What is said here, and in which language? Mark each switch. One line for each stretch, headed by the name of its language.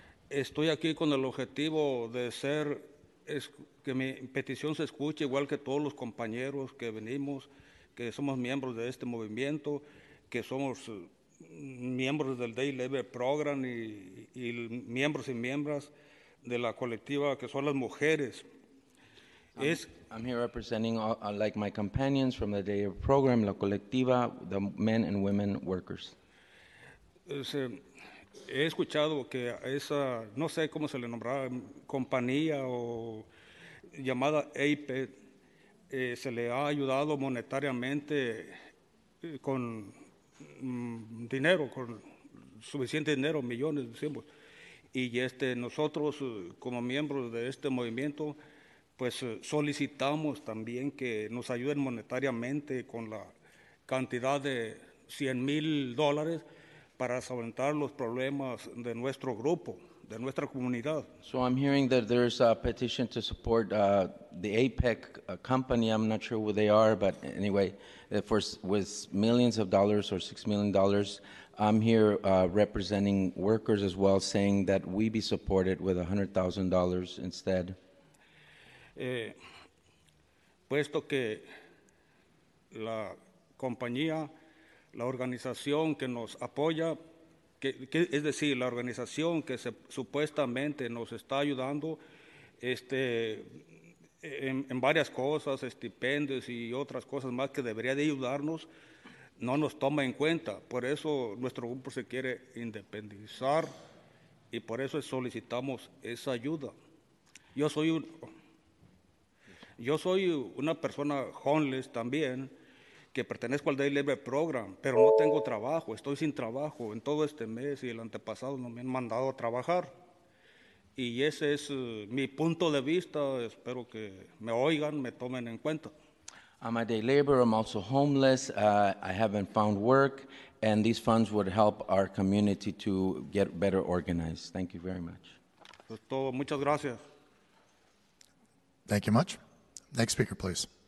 Spanish: Estoy aquí con el objetivo de ser que mi petición se escuche igual que todos los compañeros que venimos, que somos miembros de este movimiento, que somos miembros del Day Labor Program y miembros y miembros de la colectiva que son las mujeres.
English: I'm here representing like my companions from the Day Labor Program,
Spanish: la colectiva,
English: the men and women workers.
Spanish: He escuchado que esa, no sé cómo se le nombraba, compañía o llamada APEC, se le ha ayudado monetariamente con dinero, con suficiente dinero, millones, decimos. Y nosotros, como miembros de este movimiento, pues solicitamos también que nos ayuden monetariamente con la cantidad de $100,000 para solventar los problemas de nuestro grupo, de nuestra comunidad.
English: So I'm hearing that there's a petition to support the APEC company. I'm not sure who they are, but anyway, with millions of dollars or $6 million, I'm here representing workers as well, saying that we be supported with $100,000 instead.
Spanish: Puesto que la compañía, la organización que nos apoya, que es decir, la organización que supuestamente nos está ayudando en varias cosas, estipendios y otras cosas más que debería de ayudarnos, no nos toma en cuenta. Por eso nuestro grupo se quiere independizar y por eso solicitamos esa ayuda. Yo soy una persona homeless también, que pertenezco al Day Labor Program, pero no tengo trabajo, estoy sin trabajo. En todo este mes y el antepasado no me han mandado a trabajar. Y ese es mi punto de vista. Espero que me oigan, me tomen en cuenta.
English: I'm a day laborer, I'm also homeless. I haven't found work, and these funds would help our community to get better organized. Thank you very much.
Spanish: Es todo. Muchas gracias.
English: Thank you much. Next speaker, please.